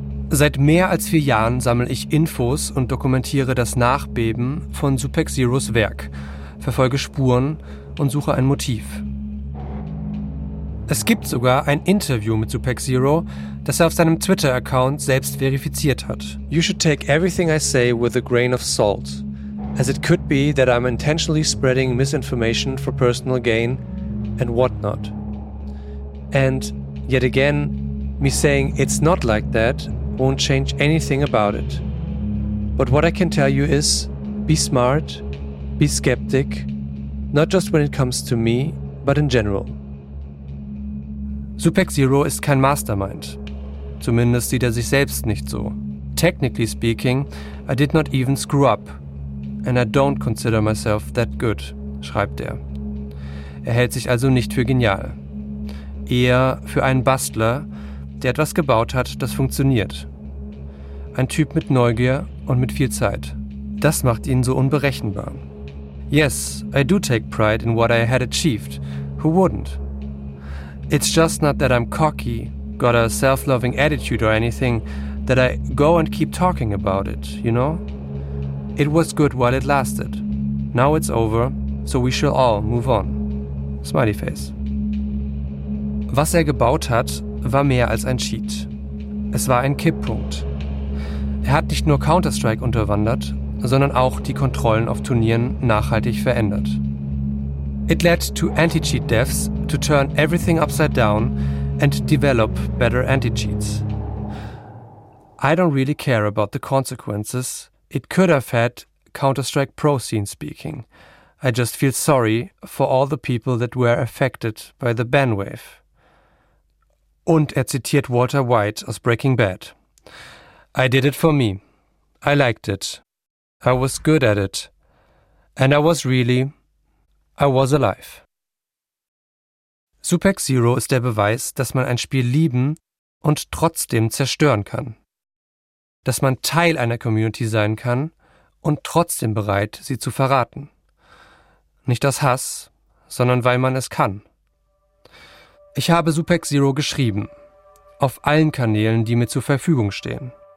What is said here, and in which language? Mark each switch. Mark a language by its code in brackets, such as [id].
[de] Seit mehr als 4 Jahren sammle ich Infos und dokumentiere das Nachbeben von Supex Zeros Werk, verfolge Spuren und suche ein Motiv. Es gibt sogar ein Interview mit Supex Zero, das er auf seinem Twitter-Account selbst verifiziert hat. [en] You should take everything I say with a grain of salt, as it could be that I'm intentionally spreading misinformation for personal gain and whatnot. And yet again, me saying it's not like that won't change anything about it. But what I can tell you is, be smart, be skeptic, not just when it comes to me, but in general. [de] Supex Zero ist kein Mastermind. Zumindest sieht er sich selbst nicht so. [en] Technically speaking, I did not even screw up. And I don't consider myself that good, [de] schreibt er. Er hält sich also nicht für genial. Eher für einen Bastler, der etwas gebaut hat, das funktioniert. Ein Typ mit Neugier und mit viel Zeit. Das macht ihn so unberechenbar. [en] Yes, I do take pride in what I had achieved. Who wouldn't? It's just not that I'm cocky, got a self-loving attitude or anything, that I go and keep talking about it, you know? It was good while it lasted. Now it's over, so we shall all move on. Smiley face. [de] Was er gebaut hat, war mehr als ein Cheat. Es war ein Kipppunkt. Er hat nicht nur Counter-Strike unterwandert, sondern auch die Kontrollen auf Turnieren nachhaltig verändert. [en] It led to anti-cheat devs to turn everything upside down and develop better anti-cheats. I don't really care about the consequences. It could have had Counter-Strike Pro scene speaking. I just feel sorry for all the people that were affected by the ban wave. [de] Und er zitiert Walter White aus Breaking Bad. [en] I did it for me. I liked it. I was good at it. And I was really, I was alive. [de] Supex Zero ist der Beweis, dass man ein Spiel lieben und trotzdem zerstören kann. Dass man Teil einer Community sein kann und trotzdem bereit, sie zu verraten. Nicht aus Hass, sondern weil man es kann. Ich habe Supex Zero geschrieben, auf allen Kanälen, die mir zur Verfügung stehen.